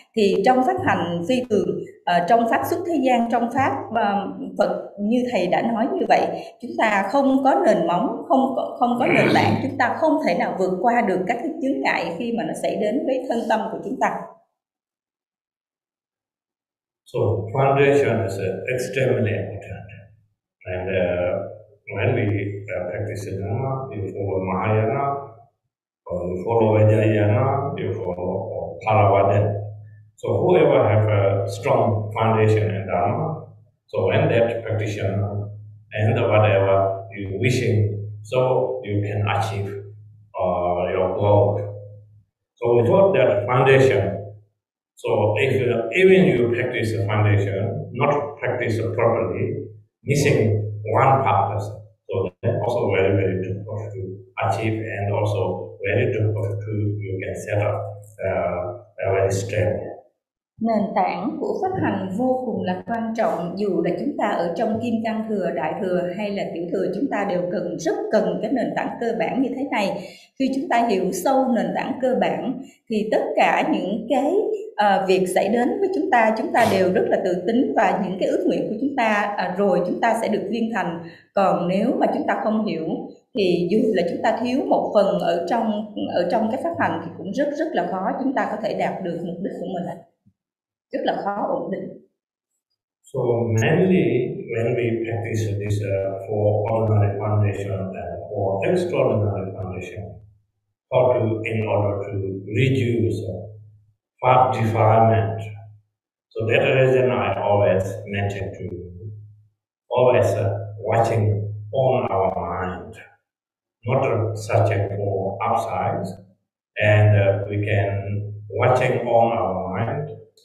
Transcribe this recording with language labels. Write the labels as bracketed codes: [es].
[vi] Thì trong pháp hành phi thường, trong pháp xuất thế gian, trong pháp Phật như thầy đã nói như vậy, chúng ta không có nền móng, không có nền tảng, chúng ta không thể nào vượt qua được các cái chướng ngại khi mà nó xảy đến với thân tâm của chúng ta. [en] So foundation is extremely important, and when we practice Dhamma, you follow Mahayana, or you follow Vajrayana, you follow Theravada. So whoever have a strong foundation in Dhamma, so when that practitioner and whatever you wishing, so you can achieve your goal. So without that foundation, so if even you practice the foundation, not practice properly, missing one purpose, so that also very, very difficult to achieve, and also very difficult to you can set up a very strong. [vi] Nền tảng của pháp hành vô cùng là quan trọng, dù là chúng ta ở trong Kim Cang Thừa, Đại Thừa hay là Tiểu Thừa, chúng ta đều rất cần cái nền tảng cơ bản như thế này. Khi chúng ta hiểu sâu nền tảng cơ bản thì tất cả những cái việc xảy đến với chúng ta đều rất là tự tin, và những cái ước nguyện của chúng ta rồi chúng ta sẽ được viên thành. Còn nếu mà chúng ta không hiểu thì dù là chúng ta thiếu một phần ở trong cái pháp hành thì cũng rất là khó chúng ta có thể đạt được mục đích của mình. Rất là khó ổn định. [en] So mainly when we practice this for ordinary foundation and for extraordinary foundation, how to in order to reduce fat defilement. So that reason I always mention to you, always watching on our mind, not searching for outside, and we can watching on our mind.